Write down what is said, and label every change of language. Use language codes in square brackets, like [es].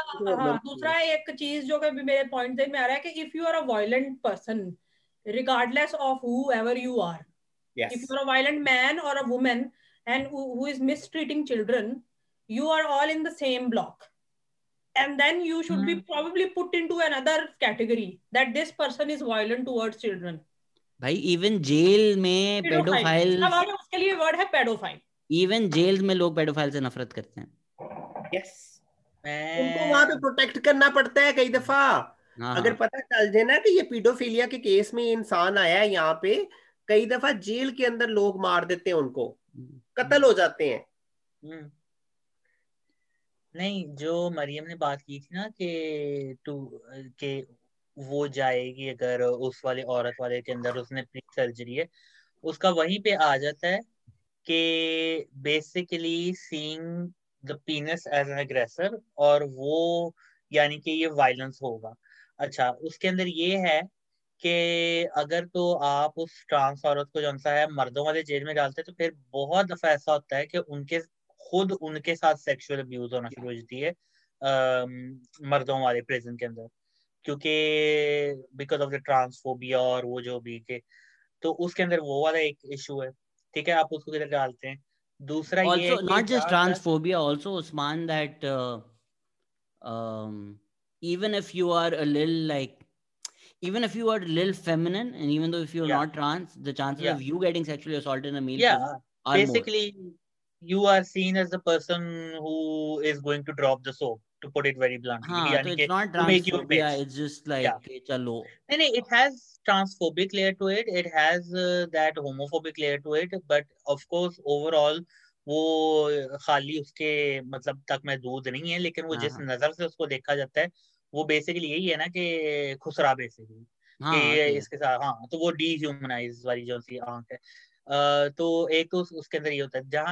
[hi] दूसरा एक चीज जो कि मेरे पॉइंट में आ रहा है कि [en] If you are a violent person regardless of whoever you are, if you are a violent man और a woman and who is mistreating children, you are all in the same block, and then you should be probably put into another category that this person is violent towards children. [hi] Bhai, even jail mein pedophile, uske liye word hai pedophile. Even jails mein log pedophile se nafrat karte hain. Yes, unko wahan pe protect karna padta hai kai dafa. Agar pata chal jaye na ki ye pedophilia ke case mein insaan aaya hai yahan pe, kai dafa jail ke andar log maar dete hain unko, कत्ल हो जाते हैं. नहीं, जो मरियम ने बात की थी ना कि तू के वो जाएगी अगर उस वाले औरत वाले के अंदर उसने अपनी सर्जरी है, उसका वहीं पे आ जाता है कि [en] basically seeing the penis as an aggressor, [hi] और वो यानी कि ये वायलेंस होगा. अच्छा, उसके अंदर ये है कि अगर तो आप उस ट्रांस औरत को जो है मर्दों वाले जेल में डालते हैं, तो फिर बहुत दफा ऐसा होता है कि उनके खुद उनके साथ सेक्सुअल अब्यूज होना शुरू हो जाती है मर्दों वाले प्रिजन के अंदर, क्योंकि [en] because of the transphobia [hi] और वो जो भी के, तो उसके अंदर वो वाला एक इशू है, ठीक है आप उसको किधर डालते हैं। दूसरा [en] also, ये not just transphobia, also Usman that even if you are a little like, even if you are a little feminine, and even though if you're not trans, the chances of you getting sexually assaulted in a meal are basically more. You are seen as the person who is going to drop the soap, to put it very bluntly. So it's not transphobia, it's just like, chalo. No, it has transphobic layer to it, it has that homophobic layer to it, but of course, overall, [hi] वो खाली उसके मतलब तक महदूद नहीं है, लेकिन वो जिस नजर से उसको देखा जाता है वो बेसिकली यही है ना कि खुसरा बेसिकली इसके साथ, हाँ तो वो डीह्यूमनाइज वाली जो सी आंख है, तो एक तो उसके अंदर ये होता है।